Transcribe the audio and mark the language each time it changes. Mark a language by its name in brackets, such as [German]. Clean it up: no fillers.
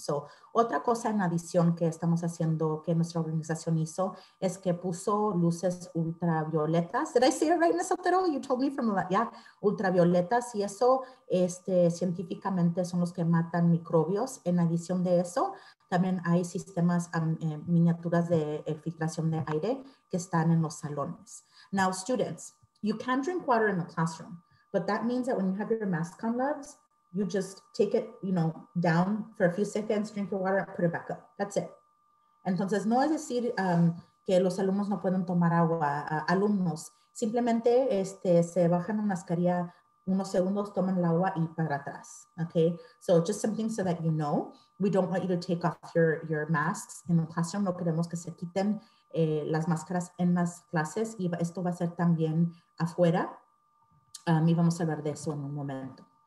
[Spanish] So, otra cosa en adición que estamos haciendo, que nuestra organización hizo, es que puso luces ultravioletas. [English] Did I say it right, Ms. Otero? You told me [Spanish] ultravioletas. Y eso, científicamente, son los que matan microbios. En adición de eso, también hay sistemas, miniaturas de filtración de aire que están en los salones. [English] Now, students, you can drink water in the classroom, but that means that when you have your mask on, loves, you just take it, down for a few seconds, drink your water, put it back up. That's it. [Spanish] Entonces, no es decir que los alumnos no pueden tomar agua. Alumnos, simplemente se bajan la mascarilla unos segundos, toman el agua y para atrás. [English] Okay? So just something so that you know. We don't want you to take off your masks in the classroom. [Spanish] No queremos que se quiten las máscaras en las clases. Y esto va a ser también afuera. Y vamos a hablar de eso en un momento.